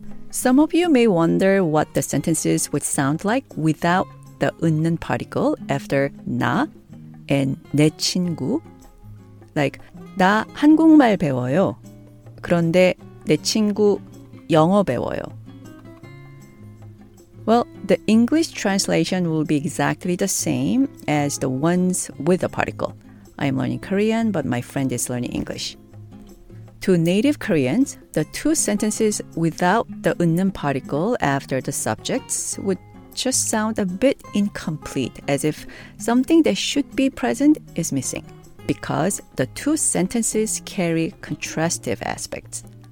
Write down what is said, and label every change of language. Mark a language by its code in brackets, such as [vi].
[en] Some of you may wonder what the sentences would sound like without the 은는 particle after 나 and 내 친구. [ko] Like, 나 한국말 배워요. 그런데 내 친구 영어 배워요. [en] Well, the English translation will be exactly the same as the ones with a particle. I am learning Korean, but my friend is learning English. To native Koreans, the two sentences without the 은는 particle after the subjects would just sound a bit incomplete, as if something that should be present is missing, because the two sentences carry contrastive aspects.